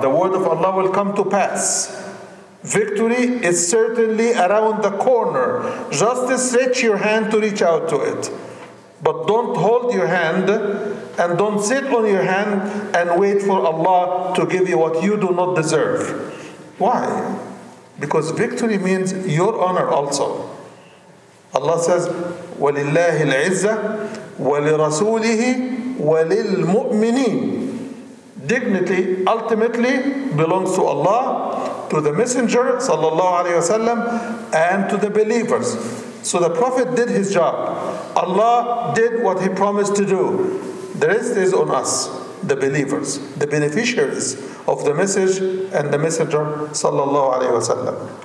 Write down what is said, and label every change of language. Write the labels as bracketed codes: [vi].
[en] The word of Allah will come to pass. Victory is certainly around the corner. Just stretch your hand to reach out to it. But don't hold your hand and don't sit on your hand and wait for Allah to give you what you do not deserve. Why? Because victory means your honor also. [ar] Allah says, وَلِلَّهِ الْعِزَّةِ وَلِرَسُولِهِ وَلِلْمُؤْمِنِينَ. [en] Dignity ultimately belongs to Allah, to the Messenger sallallahu alayhi wa sallam, and to the believers. So the Prophet did his job. Allah did what he promised to do. The rest is on us, the believers, the beneficiaries of the message and the Messenger sallallahu alayhi wa sallam.